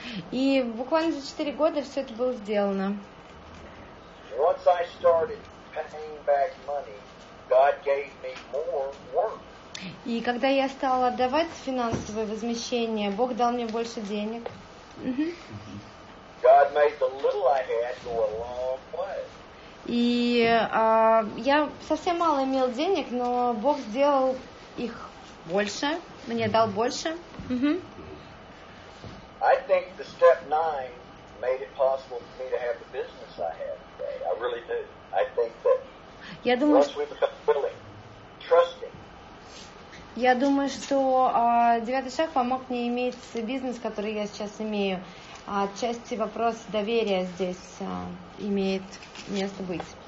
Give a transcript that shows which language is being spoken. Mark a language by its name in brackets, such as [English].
[Russian] И буквально за 4 года все это было сделано. [English] Once I started paying back money, God gave me more work. [Russian] И когда я стал отдавать финансовое возмещение, Бог дал мне больше денег. [English] God made the little I had go a long way. [Russian] И я совсем мало имел денег, но Бог сделал их больше, мне дал больше. [English] I think the step 9 made it possible for me to have the business I have today. I really do. I think that [Russian] я думаю, [English] once we become willing, trusting. [Russian] Я думаю, что девятый шаг помог мне иметь бизнес, который я сейчас имею. Отчасти вопрос доверия здесь имеет место быть.